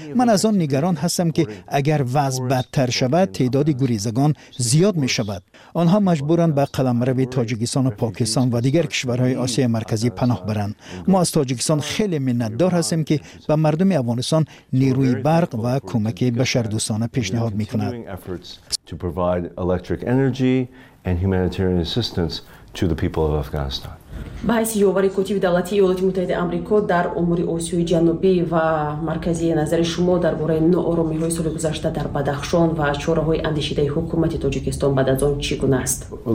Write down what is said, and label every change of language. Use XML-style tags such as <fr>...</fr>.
<fa>من از آن نگران هستم که اگر وضع بدتر شود تعداد گریزگان زیاد می‌شود. آنها مجبورند به قلم مروی تاجیکستان و پاکستان و دیگر کشورهای آسیای مرکزی پناه برند. ما از تاجیکستان خیلی منتدار هستیم که به مردم افغانستان نیروی برق و کمک بشردوستانه پیشنهاد میکند.</fa> <en>To provide electric energy and humanitarian assistance to the people of Afghanistan.</en> <fa>بحث یووری کوتی دولتی ایالات متحده آمریکا در امور آسیای جنوبی و مرکزی نظر شما درباره نوآرامی های سال گذشته در بدخشان و چاره‌های اندیشیده حکومت تاجیکستان بعد از آن چگونه است؟</fa>